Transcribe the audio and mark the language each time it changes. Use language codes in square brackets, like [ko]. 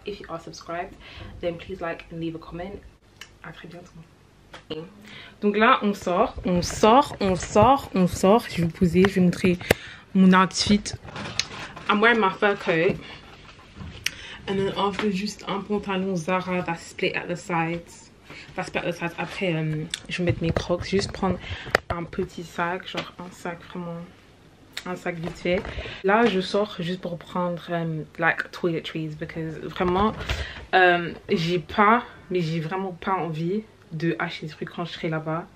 [en] If you are subscribed, then please like and leave a comment. [fr] À très bientôt. Donc là on sort. Je vais vous poser, je vais montrer mon outfit. [en] I'm wearing my fur coat and then after just [fr] un pantalon [en] Zara that's split at the sides. [fr] Après je vais mettre mes crocs, juste prendre un petit sac, genre un sac vraiment, un sac vite fait. Là je sors juste pour prendre [en] like toiletries because [fr] vraiment j'ai vraiment pas envie de acheter des trucs quand je serai là-bas.